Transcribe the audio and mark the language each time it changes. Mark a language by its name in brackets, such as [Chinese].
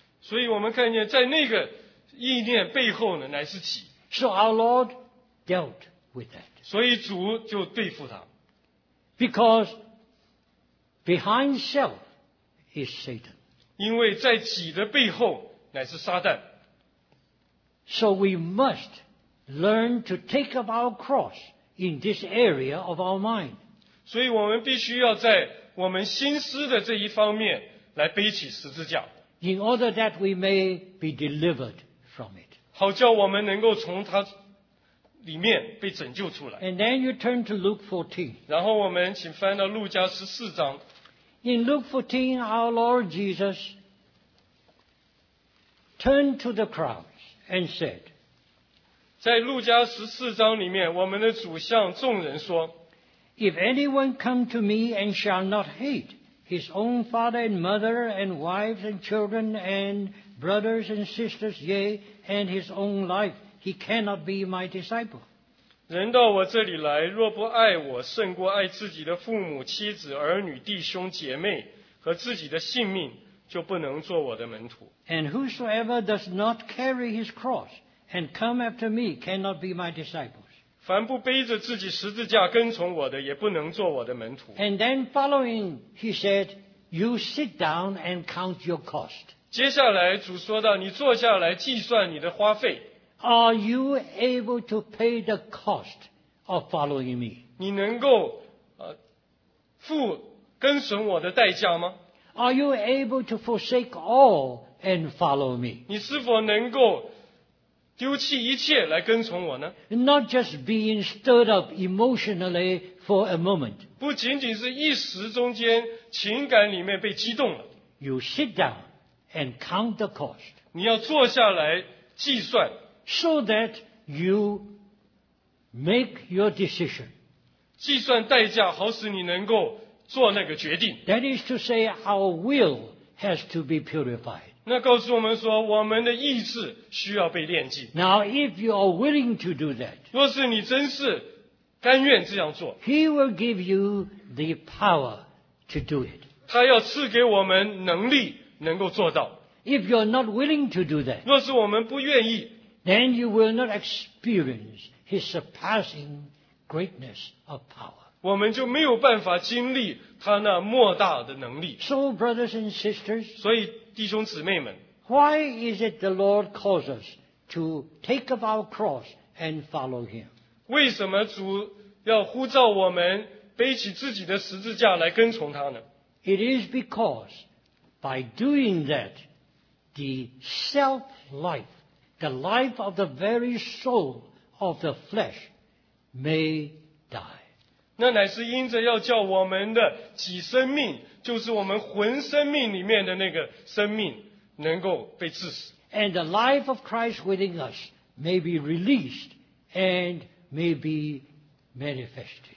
[Chinese] 所以我们看见在那个意念背后呢乃是己。 [English] So our Lord dealt with that. [Chinese] 所以主就对付他。 [English] Because behind self is Satan. [Chinese] 因为在己的背后乃是撒旦。 [English] So we must learn to take up our cross in this area of our mind. [Chinese] 所以我们必须要在我们心思的这一方面来背起十字架。 [English] In order that we may be delivered from it. [Chinese] 好叫我们能够从它里面被拯救出来。 [English] And then you turn to Luke 14. [Chinese] 然后我们请翻到路加十四章。 [English] In Luke 14, our Lord Jesus turned to the crowds and said, [Chinese] 在路加十四章里面，我们的主向众人说， [English] If anyone come to me and shall not hate his own father and mother and wives and children and brothers and sisters, yea, and his own life, he cannot be my disciple. [Chinese] 人到我这里来，若不爱我胜过爱自己的父母、妻子、儿女、弟兄、姐妹和自己的性命，就不能做我的门徒。 [English] And whosoever does not carry his cross and come after me cannot be my disciples. [Chinese] 凡不背着自己十字架跟从我的，也不能做我的门徒。 [English] And then following, he said, You sit down and count your cost. [Chinese] 接下来主说到，你坐下来计算你的花费。 [English] Are you able to pay the cost of following me? [Chinese] 你能够付跟随我的代价吗？ [English] Are you able to forsake all and follow me? [Chinese] 你是否能够丢弃一切来跟从我呢？ [English] Not just being stirred up emotionally for a moment. [Chinese] 不仅仅是一时中间情感里面被激动了。 [English] You sit down and count the cost. [Chinese] 你要坐下来计算。 [English] So that you make your decision. [Chinese] 计算代价好使你能够做那个决定。 [English] That is to say, our will has to be purified. [Chinese] 那告诉我们说，我们的意志需要被炼净。 [English] Now, if you are willing to do that, [Chinese] 若是你真是甘愿这样做， [English] He will give you the power to do it. [Chinese] 他要赐给我们能力能够做到。 [English] If you are not willing to do that, [Chinese] 若是我们不愿意， [English] then you will not experience His surpassing greatness of power. [Chinese] 我们就没有办法经历他那莫大的能力。 [English] So, brothers and sisters, [Chinese] 所以弟兄姊妹们， [English] Why is it the Lord calls us to take up our cross and follow Him? [Chinese] 为什么主要呼召我们背起自己的十字架来跟从他呢？ [English] It is because by doing that, the self-life, the life of the very soul of the flesh may die. [Chinese] 那乃是因着要叫我们的己生命，就是我们魂生命里面的那个生命，能够被致死。 [English] And the life of Christ within us may be released and may be manifested.